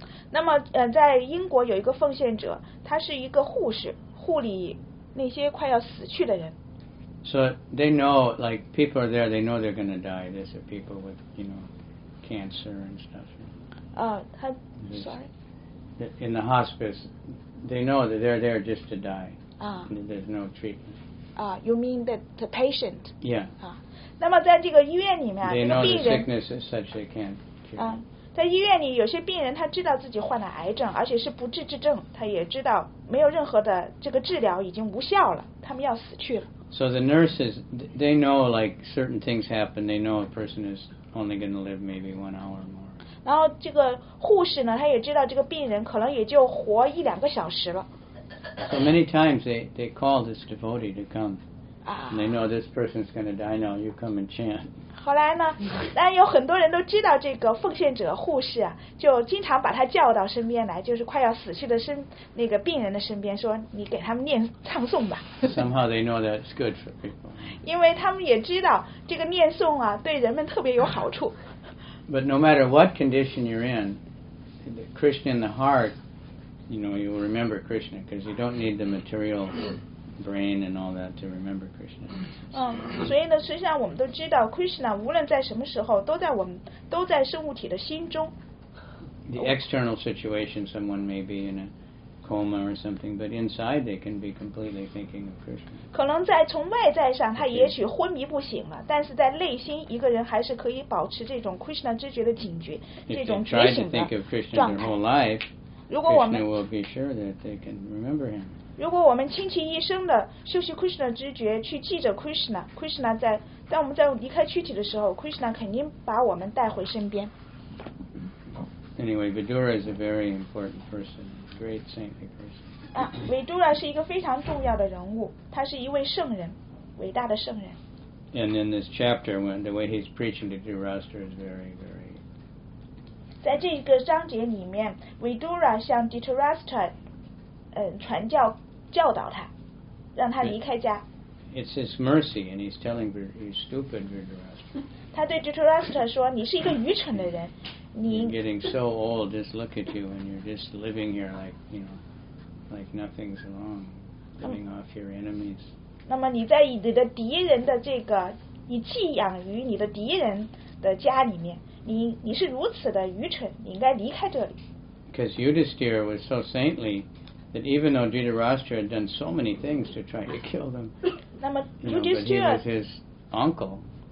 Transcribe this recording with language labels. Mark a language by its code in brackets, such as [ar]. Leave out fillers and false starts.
[zh] 那么在英国有一个奉献者，他是一个护士。护理那些快要死去的人。 [en] So they know, like people are there, they know they're going to die. There's a people with, you know, cancer and stuff. In the hospice, they know that they're there just to die. There's no treatment. You mean the patient? Yeah. [zh] 那么在这个医院里面， [en] they know the sickness is such they can't cure. [zh] 在医院里有些病人他知道自己患了癌症而且是不治之症他也知道没有任何的这个治疗已经无效了他们要死去了 [en] So the nurses they know like certain things happen they know a person is only going to live maybe 1 hour or more [zh] 然后这个护士呢他也知道这个病人可能也就活一两个小时了 [en] So many times they call this devotee to come and they know this person is going to die now you come and chant [zh] 后来呢但有很多人都知道这个奉献者护士啊就经常把他叫到身边来就是快要死去的那个病人的身边说你给他们念唱诵吧。 [en] Somehow they know that's good for people. [zh] 因为他们也知道这个念诵啊对人们特别有好处。 [en] But no matter what condition you're in, the Krishna in the heart, you know, you will remember Krishna because you don't need the material brain and all that to remember Krishna. [zh] 所以呢，实际上我们都知道 ，Krishna 无论在什么时候，都在生物体的心中。 [en] The external situation, someone may be in a coma or something, but inside they can be completely thinking of Krishna. [zh] 可能在从外在上，他也许昏迷不醒了，但是在内心，一个人还是可以保持这种 Krishna 知觉的警觉，这种觉醒的状态。 [en] If they try to think of Krishna their whole life, Krishna will be sure that they can remember him. [zh] 如果我们倾其一生的修习 Krishna 知觉去记着 Krishna 在当我们在离开躯体的时候 Krishna 肯定把我们带回身边 [en] Anyway, Vidura is a very important person great saintly person [zh] Vidura 是一个非常重要的人物他是一位圣人伟大的圣人 [en] And in this chapter when the way he's preaching to Dhritarashtra is very very [zh] 在这个章节里面 Vidura 向 Dhritarashtra传教教导他让他离开家 [en] It's his mercy and he's telling you're stupid Dhritarashtra [zh] 他对 Dhritarashtra 说你是一个愚蠢的人你 [en] You're getting so old just look at you and you're just living here like you know like nothing's wrong living off your enemies [zh] 那么你在你的敌人的这个你寄养于你的敌人的家里面你是如此的愚蠢你应该离开这里 [en] Because Yudhisthira was so saintlyThat even though Dhritarashtra had done so many things to try to kill them, you know, but he was his uncle.